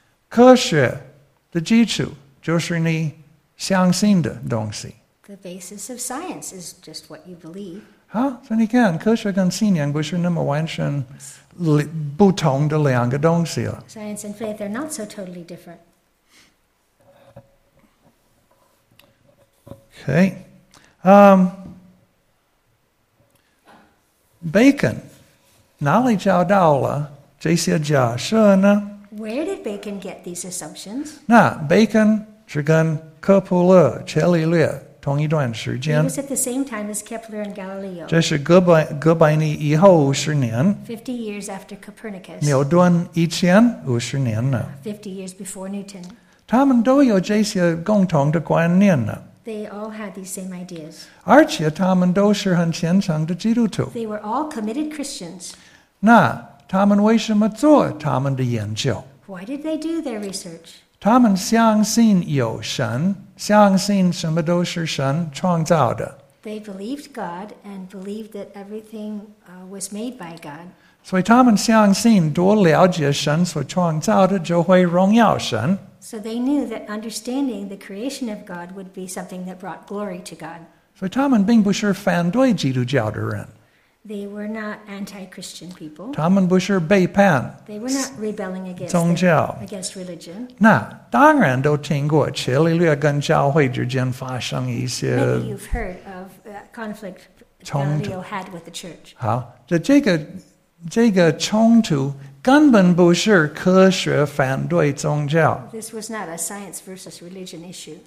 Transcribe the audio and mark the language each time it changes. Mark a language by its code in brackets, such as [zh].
[zh] 科学的基础就是你相信的东西。 [en] The basis of science is just what you believe. [zh] 好，所以你看，科学跟信仰不是那么完全不同的两个东西了。 [en] Science and faith are not so totally different. Okay. [zh] Bacon, 哪里找到了这些假设呢？ [en] Where did Bacon get these assumptions? [zh] Bacon 是跟科普勒、伽利略同一段时间。 [en] He was at the same time as Kepler and Galileo. [zh] 这是哥白尼以后十年。 [en] 50 years after Copernicus. [zh] 牛顿以前五十年呢。 [en] 50 years before Newton. [zh] 他们都有这些共同的观念呢。 [en] They all had these same ideas. [zh] 而且他们都是很虔诚的基督徒。 [en] They were all committed Christians. [zh] 那他们为什么做他们的研究？ [en] Why did they do their research? [zh] 他们相信有神，相信什么都是神创造的。 [en] They believed God and believed that everything was made by God. [zh] 所以他们相信多了解神所创造的就会荣耀神。 [en] So they knew that understanding the creation of God would be something that brought glory to God. [zh] 所以他们并不是反对基督教的人。 [en] They were not anti-Christian people. [zh] 他们不是背叛。 [en] They were not rebelling against [zh] 宗教。 [en] Against religion. [zh] 那当然都听过伽利略跟教会之间发生一些。 [en] Maybe you've heard of conflict Galileo had with the church. [zh] 好，这个冲突。根本不是科学反对宗教。 [en] This was not a science versus religion issue.